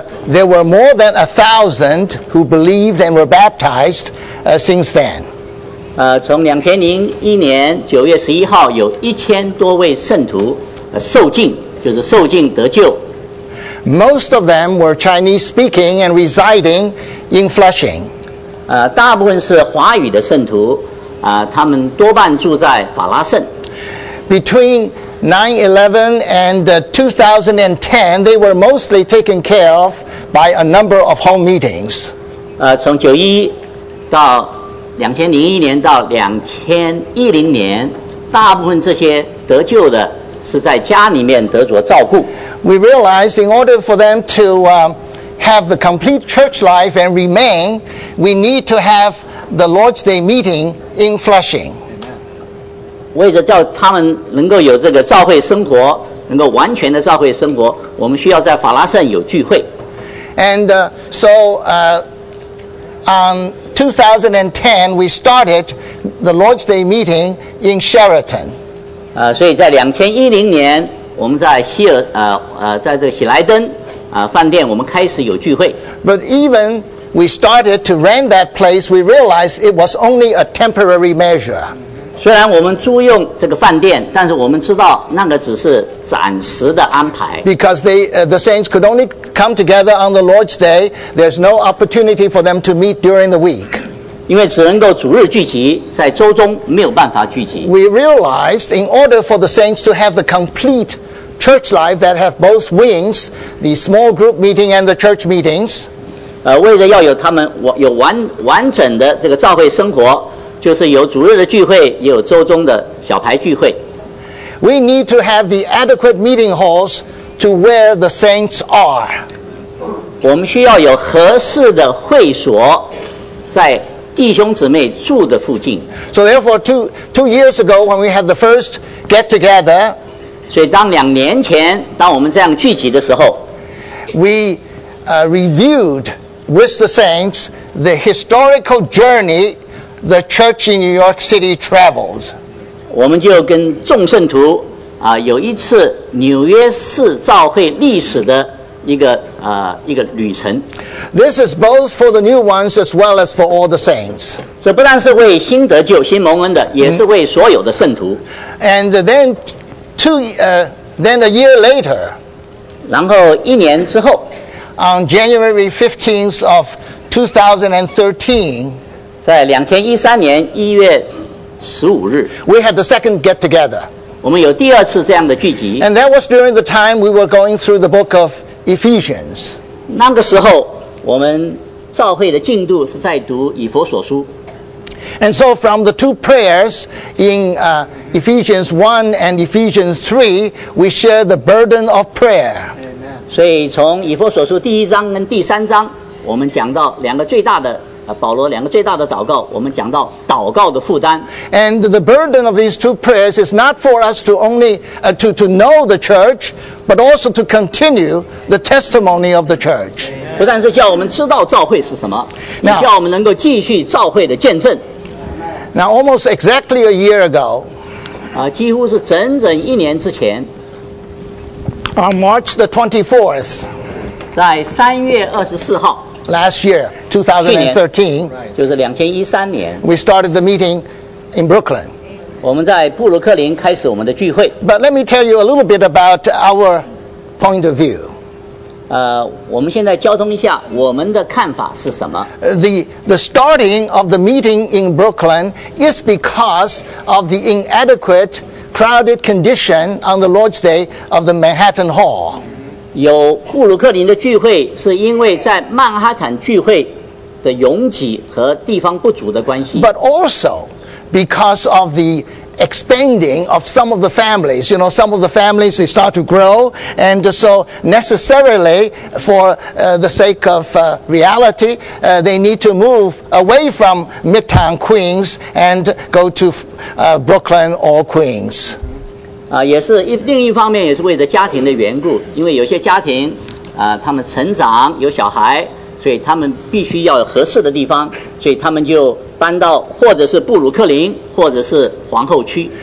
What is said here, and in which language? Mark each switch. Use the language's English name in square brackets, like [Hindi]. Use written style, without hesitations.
[English] There were more than 1,000 who believed and were baptized since then. [Chinese] 从2001年9月11号有1000多位圣徒受浸，就是受浸得救。 [English] Most of them were Chinese speaking and residing in Flushing. [Chinese] 大部分是华语的圣徒，他们多半住在法拉盛。 [English] Between 9/11 and 2010, they were mostly taken care of by a number of home meetings. [Chinese] 从91到2001年到2010年，大部分这些得救的是在家里面得着照顾。 [English] We realized in order for them to have the complete church life and remain, we need to have the Lord's Day meeting in Flushing. [Chinese] 为了叫他们能够有这个召会生活，能够完全的召会生活，我们需要在法拉盛有聚会。 [English] And so on 2010, we started the Lord's Day meeting in Sheraton. [Chinese] 所以在2010年，我们在希尔在这个喜来登饭店，我们开始有聚会。 [English] But even we started to rent that place, we realized it was only a temporary measure. [Chinese] 虽然我们租用这个饭店，但是我们知道那个只是暂时的安排。 [English] Because the saints could only come together on the Lord's Day, there's no opportunity for them to meet during the week. [Chinese] 因为只能够主日聚集，在周中没有办法聚集。 [English] We realized in order for the saints to have the complete church life that have both wings, the small group meeting and the church meetings, [Chinese] 为了要有他们有完整的这个召会生活，就是有主日的聚会，也有周中的小排聚会。 [English] We need to have the adequate meeting halls to where the saints are. [Chinese] 我们需要有合适的会所，在弟兄姊妹住的附近。 [English] So therefore, two years ago, when we had the first get together, [Chinese] 所以当两年前，当我们这样聚集的时候 [English] ，we reviewed with the saints the historical journey. The church in New York City travels. [Chinese] 我们就跟众圣徒有一次纽约市召会历史的一个旅程。 [English] This is both for the new ones as well as for all the saints. [Chinese] 这不但是为新得救、新蒙恩的，也是为所有的圣徒。 [English] And then a year later. [Chinese] 然后一年之后。 [English] On January 15th of 2013. [Chinese] 在2013年1月15日 [English] ，We had the second get together. [Chinese] 我们有第二次这样的聚集。 [English] And that was during the time we were going through the book of Ephesians. [Chinese] 那个时候，我们召会的进度是在读以弗所书。 [English] And so from the two prayers in Ephesians 1 and Ephesians 3, we share the burden of prayer. [Chinese] 所以从以弗所书第一章跟第三章，我们讲到两个最大的。保罗两个最大的祷告，我们讲到祷告的负担。 [English] And the burden of these two prayers is not for us to only to know the church, but also to continue the testimony of the church. [Chinese] 不但是叫我们知道召会是什么，也叫我们能够继续召会的见证。 [English] Now, almost exactly a year ago, [Chinese] 几乎是整整一年之前 [English] ，on March the 24th, [Chinese] 在3月24号。 [English] Last year, 2013, [Chinese] 就是2013年 [English] we started the meeting in Brooklyn. [Chinese] 我们在布鲁克林开始我们的聚会。 [English] But let me tell you a little bit about our point of view. [Chinese] 我们现在交通一下我们的看法是什么。 [English] The starting of the meeting in Brooklyn is because of the inadequate crowded condition on the Lord's Day of the Manhattan Hall. [Chinese] 有布鲁克林的聚会是因为在曼哈坦聚会的拥挤和地方不足的关系。 [English] But also because of theExpanding of some of the families, you know, some of the families they start to grow, and so necessarily, for the sake of reality, they need to move away from Midtown Queens and go to Brooklyn or Queens. [Chinese] 也是另一方面也是为了家庭的缘故，因为有些家庭，他们成长有小孩，所以他们必须要有合适的地方，所以他们就。搬到或者是布鲁克林，或者是皇后区。